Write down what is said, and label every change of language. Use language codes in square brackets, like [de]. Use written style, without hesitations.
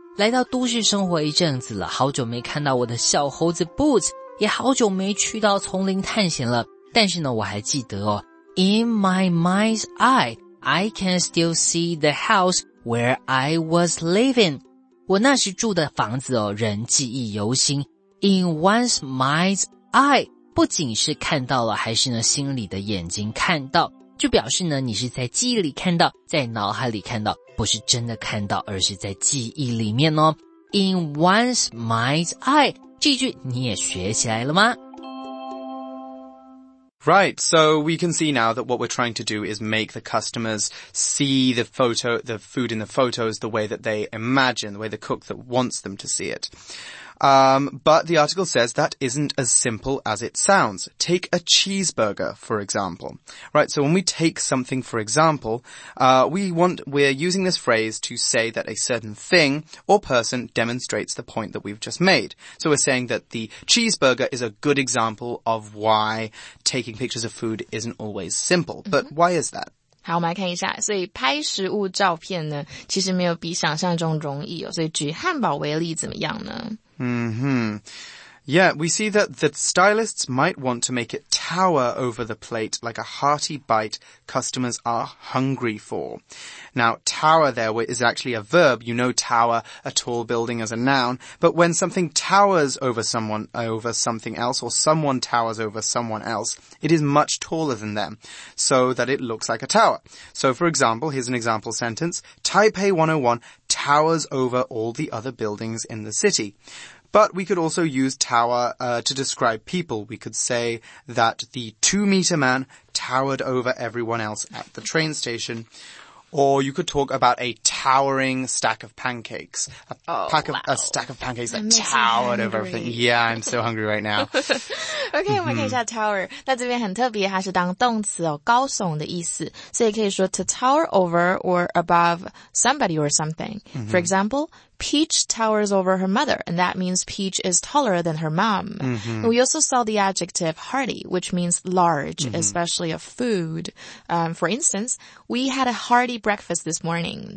[zh] 来到都市生活一阵子了，好久没看到我的小猴子 Boots， 也好久没去到丛林探险了。但是呢，我还记得哦 [en] ，In my mind's eye, I can still see the house where I was living. [zh] 我那时住的房子哦，仍记忆犹新。 [en] In one's mind's eye。 [zh] 不仅是看到了，还是呢心里的眼睛看到，就表示呢你是在记忆里看到，在脑海里看到，不是真的看到，而是在记忆里面哦。 In one's mind's eye， 这句你也学起来了吗？ [en] Right, so we can see now that what we're trying to do is make the customers see the photo, the food in the photos, the way that they imagine, the way the cook that wants them to see it. But the article says that isn't as simple as it sounds. Take a cheeseburger, for example. Right, so when we take something for example, we're using this phrase to say that a certain thing or person demonstrates the point that we've just made. So we're saying that the cheeseburger is a good example of why taking pictures of food isn't always simple. Mm-hmm. But why is that? [zh] 好，我们来看一下。所以拍食物照片呢，其实没有比想象中容易哦。所以举汉堡为例怎么样呢？ [en] Yeah, we see that the stylists might want to make it tower over the plate like a hearty bite customers are hungry for. Now, tower there is actually a verb. You know tower, a tall building as a noun. But when something towers over someone, over something else, or someone towers over someone else, it is much taller than them, so that it looks like a tower. So, for example, here's an example sentence. Taipei 101 towers over all the other buildings in the city. But we could also use tower, to describe people. We could say that the 2-meter man towered over everyone else at the train station. Or you could talk about a towering stack of pancakes. A stack of pancakes that towered over everything. Yeah, I'm so hungry right now. [zh] Okay, 我们看一下 tower. 那这边很特别，它是当动词哦，高耸的意思。所以可以说 [en] to tower over or above somebody or something. Mm-hmm. For example, Peach towers over her mother, and that means Peach is taller than her mom. Mm-hmm. We also saw the adjective hearty, which means large, mm-hmm. especially of food. For instance, we had a hearty breakfast this morning.